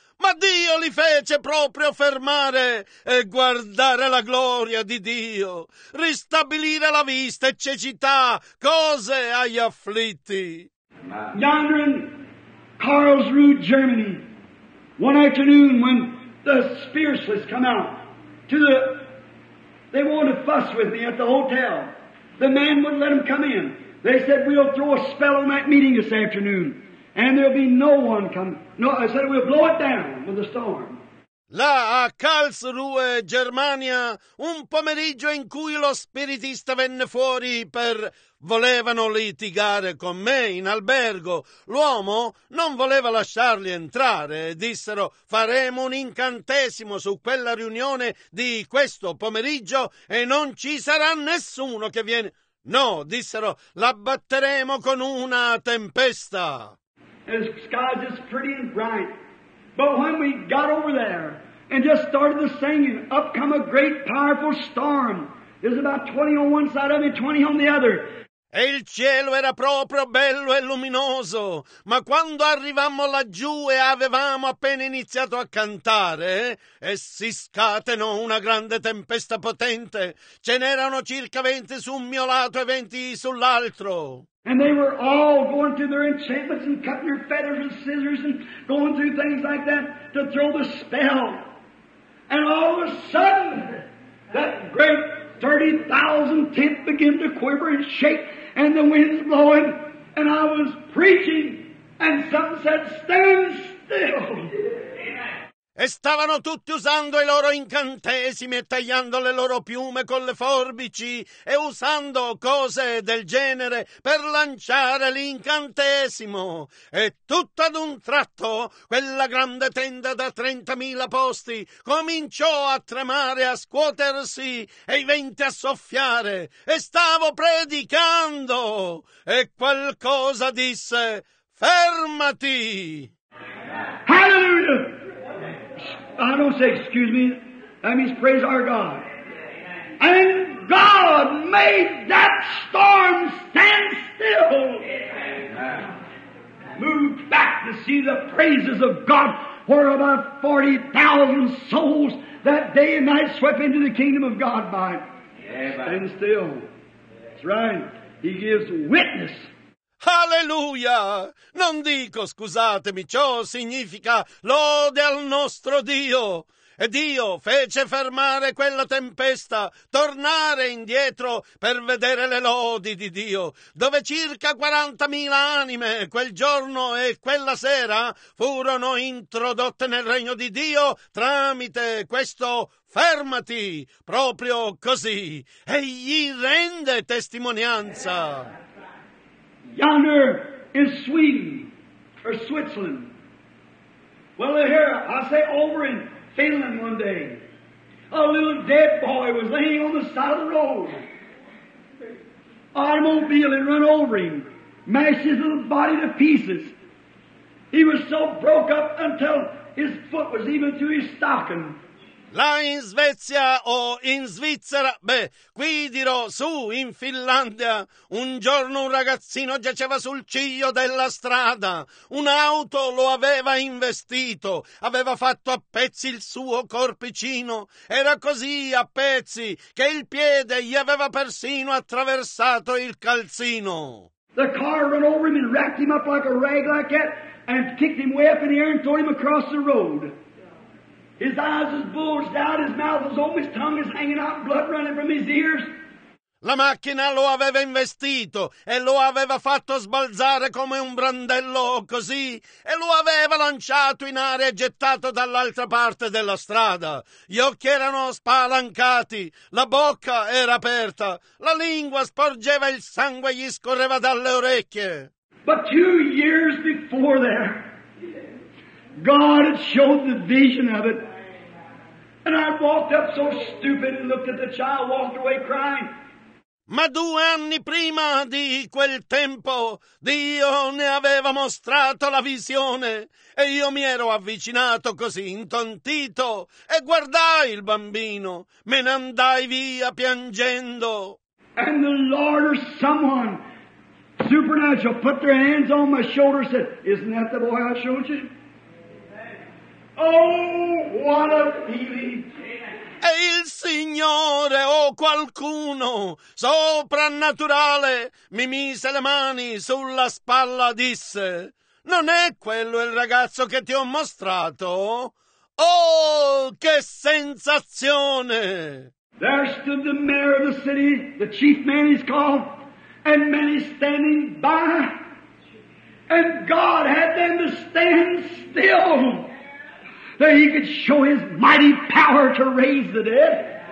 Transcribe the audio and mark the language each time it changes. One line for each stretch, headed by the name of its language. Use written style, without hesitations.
Italian: Ma Dio li fece proprio fermare e guardare la gloria di Dio, ristabilire la vista e cecità, cose agli afflitti.
English: Yonder in Karlsruhe, Germany. One afternoon when the spiritualists come out to the, they wanted to fuss with me at the hotel. The man wouldn't let them come in. They said, we'll throw a spell on that meeting this afternoon and there'll be no one come. No, I said, we'll blow it down with a storm.
Italian: Là a Karlsruhe, Germania, un pomeriggio in cui lo spiritista venne fuori per... Volevano litigare con me in albergo. L'uomo non voleva lasciarli entrare e dissero, faremo un incantesimo su quella riunione di questo pomeriggio e non ci sarà nessuno che viene. No, dissero, la batteremo con una tempesta.
English: The sky is pretty and bright. But when we got over there and just started the singing, up come a great powerful storm. There's about 20 on one side of it, 20 on the other.
Italian: E il cielo era proprio bello e luminoso, ma quando arrivammo laggiù e avevamo appena iniziato a cantare, e si scatenò una grande tempesta potente, ce n'erano circa 20 su un mio lato e 20 sull'altro.
English: And they were all going through their enchantments and cutting their fetters with scissors and going through things like that to throw the spell. And all of a sudden, that great 30,000 tent began to quiver and shake, and the wind's blowing, and I was preaching, and some said, stand still.
Italian: E stavano tutti usando i loro incantesimi e tagliando le loro piume con le forbici e usando cose del genere per lanciare l'incantesimo. E tutto ad un tratto quella grande tenda da 30.000 posti cominciò a tremare, a scuotersi e i venti a soffiare. E stavo predicando e qualcosa disse, fermati!
English: Hallelujah! I don't say excuse me, that means praise our God. And God made that storm stand still. Moved back to see the praises of God where about 40,000 souls that day and night swept into the kingdom of God by it. Stand still. That's right. He gives witness.
Italian: Alleluia! Non dico, scusatemi, ciò significa lode al nostro Dio. E Dio fece fermare quella tempesta, tornare indietro per vedere le lodi di Dio, dove circa 40.000 anime quel giorno e quella sera furono introdotte nel regno di Dio tramite questo fermati, proprio così, e gli rende testimonianza.
English: Yonder in Sweden or Switzerland. Well, here, I say over in Finland one day, a little dead boy was laying on the side of the road. Automobile and run over him, mashed his little body to pieces. He was so broke up until his foot was even through his stocking.
Italian: Là in Svezia o in Svizzera, beh, qui dirò su in Finlandia, un giorno un ragazzino giaceva sul ciglio della strada, un'auto lo aveva investito, aveva fatto a pezzi il suo corpicino, era così a pezzi che il piede gli aveva persino attraversato il calzino.
English: The car ran over him and wrapped him up like a rag like that and kicked him way up in the air and threw him across the road. His eyes was bulged out, his mouth was open, his tongue was hanging out, blood running from his ears.
Italian: La macchina lo aveva investito e lo aveva fatto sbalzare come un brandello così e lo aveva lanciato in aria e gettato dall'altra parte della strada. Gli occhi erano spalancati, la bocca era aperta, la lingua sporgeva il sangue e gli scorreva dalle orecchie.
English: But 2 years before there, God had showed the vision of it. And I walked up so stupid and looked at the child, walked away crying.
Italian: Ma 2 anni prima di quel tempo Dio ne aveva mostrato la visione e io mi ero avvicinato così intontito e guardai il bambino, me ne andai via piangendo.
English: And the Lord or someone supernatural put their hands on my shoulder and said, isn't that the boy I showed you? Oh, what a feeling!
Italian: E il Signore o qualcuno soprannaturale mi mise le mani sulla spalla e disse: non è quello il ragazzo che ti ho mostrato? Oh, che sensazione!
English: There stood the mayor of the city, the chief man he's called, and many standing by, and God had them to stand still. That he could show his mighty power to raise the dead.